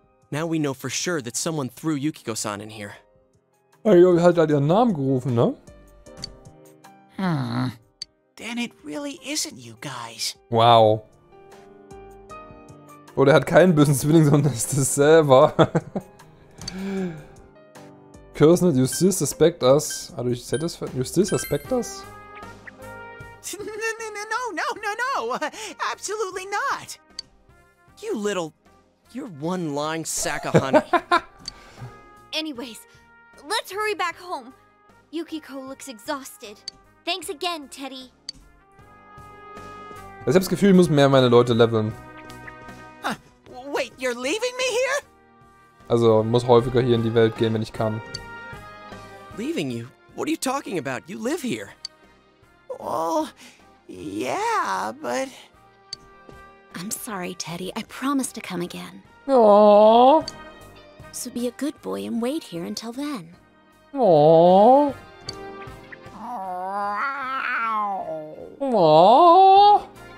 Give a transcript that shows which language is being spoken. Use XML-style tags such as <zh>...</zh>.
<en>Now we know for sure that someone threw Yukiko-san in here.</en> <de>Ja, ihr habt halt ihren Namen gerufen, ne?</de> <en>Hmm. Then it really isn't you guys. Wow.</en> <de>Oder er hat keinen bösen Zwilling, sondern ist es selber.</de> <en>Cursed Justice suspect us. Are you satisfied? Justice suspect us? No. Absolutely not. You little... You're one lying sack of honey. Anyways, let's hurry back home. Yukiko looks exhausted. Thanks again, Teddy.</en> <de>Ich hab das Gefühl, ich muss mehr meine Leute leveln.</de> <en>Wait, you're leaving me here?</en> <de>Also, muss häufiger hier in die Welt gehen, wenn ich kann.</de> <en>Leaving you? What are you talking about? You live here. Well, yeah, but... I'm sorry, Teddy. I promise to come again. Aww. So be a good boy and wait here until then. Aww. Aww.</en>